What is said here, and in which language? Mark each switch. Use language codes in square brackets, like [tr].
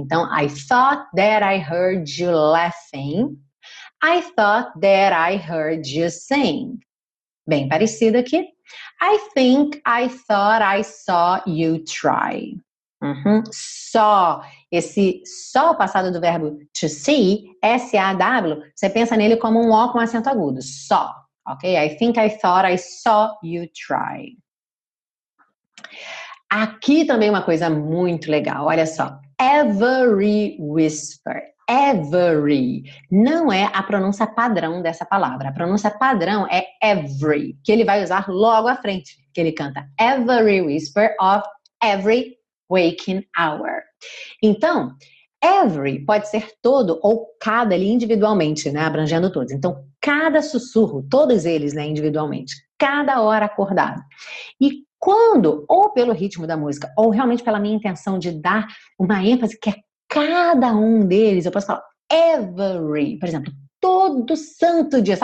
[en] Então, I thought that I heard you laughing. I thought that I heard you sing. [pt] Bem parecido aqui. [en] I think I thought I saw you try. Uhum. Saw. [pt] Esse saw passado do verbo to see, S-A-W, você pensa nele como um O com acento agudo. [en] Saw. Ok? I think I thought I saw you try. [pt] Aqui também uma coisa muito legal, olha só. Every whisper, every. Não é a pronúncia padrão dessa palavra. A pronúncia padrão é every, que ele vai usar logo à frente, que ele canta. [en] Every whisper of every waking hour. [pt] Então, every pode ser todo ou cada ali individualmente, né? Abrangendo todos. Então, cada sussurro, todos eles, né? Individualmente. Cada hora acordado. E quando, ou pelo ritmo da música, ou realmente pela minha intenção de dar uma ênfase que é cada um deles, eu posso falar every, por exemplo, todo santo dia.